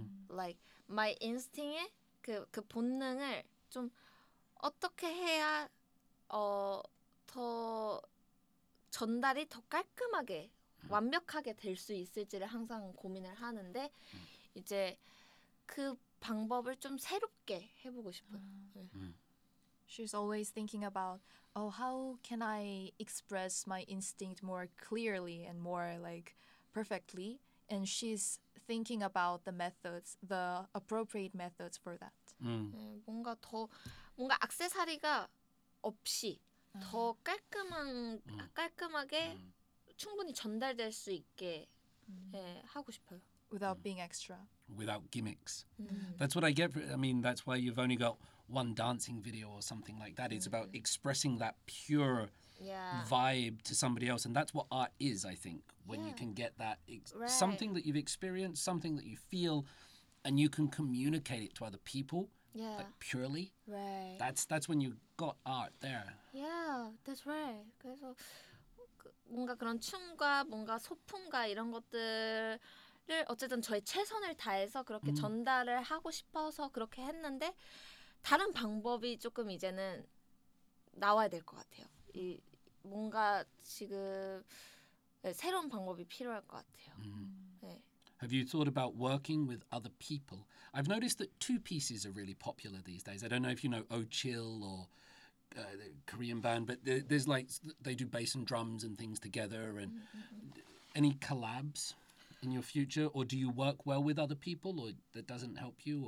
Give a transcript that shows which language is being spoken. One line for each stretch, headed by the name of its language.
Korean: Like my instinct 에 그 본능을 좀 어떻게 해야 더 전달이 더 깔끔하게 완벽하게 될 수 있을지를 항상 고민을 하는데 이제 그 방법을 좀 새롭게 해보고 싶어요.
English: She's always thinking about, oh, how can I express my instinct more clearly and more like perfectly? and she's thinking about the methods, the appropriate methods for that.
Korean: 뭔가 더 뭔가 액세서리가 없이 더 깔끔한 깔끔하게 충분히 전달될 수 있게 예, 하고 싶어요.
English: Without being extra. Without gimmicks. That's what I get. I mean, that's why you've only got one dancing video or something like that. It's about expressing that pure vibe to somebody else. And that's what art is, I think, when you can get that something that you've experienced, something that you feel, and you can communicate it to other people like purely. Right. That's when you got art there. Yeah, that's right.
Korean: 그래서 뭔가 그런 춤과 뭔가 소품과 이런 것들을 어쨌든 저의 최선을 다해서 그렇게 전달을 하고 싶어서 그렇게 했는데 다른 방법이 조금 이제는 나와야 될 것 같아요. 이 뭔가 지금 네, 새로운 방법이 필요할 것 같아요.
English: Have you thought about working with other people? I've noticed that two pieces are really popular these days. I don't know if you know Oh Chill or the Korean band, but there's like they do bass and drums and things together. And any collabs in your future, or do you work well with other people, or that doesn't help you?